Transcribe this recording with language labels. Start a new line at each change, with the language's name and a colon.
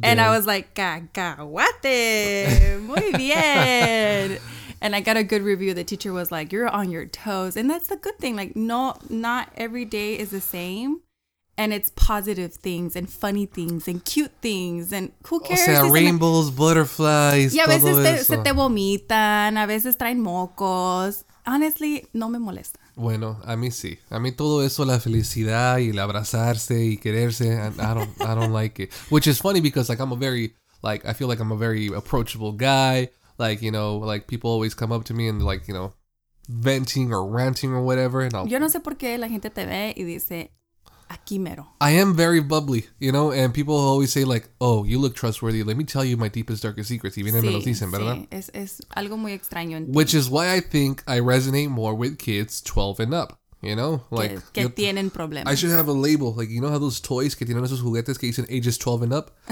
English: and I was like, cacahuate.
Spanish: Muy bien.
English: And I got a good review. The teacher was like, you're on your toes. And that's the good thing. Like, no, not every day is the same. And it's positive things and funny things and cute things. And who cares?
Spanish: O sea,
English: rainbows, butterflies.
Spanish: Y a veces se te vomitan. A veces traen mocos. Honestly, no me molesta. Bueno, a mí sí. A mí todo eso, la felicidad y el abrazarse y quererse,
English: I don't like it. Which is funny because like I'm a very, like, I feel like I'm a very approachable guy. Like, you know, like people always come up to me and like, you know, venting or ranting or whatever. And
Spanish: yo no sé por qué la gente te ve y dice, aquí mero.
English: I am very bubbly, you know, and people always say like, oh, you look trustworthy. Let me tell you my deepest, darkest secrets.
Spanish: Y vienen, sí, me los dicen, ¿verdad? Sí, es algo muy extraño en ti.
English: Which is why I think I resonate more with kids 12 and up, you know? Like,
Spanish: que tienen problemas.
English: I should have a label. Like, you know how those toys
Spanish: que tienen esos juguetes que dicen
English: ages 12 and up?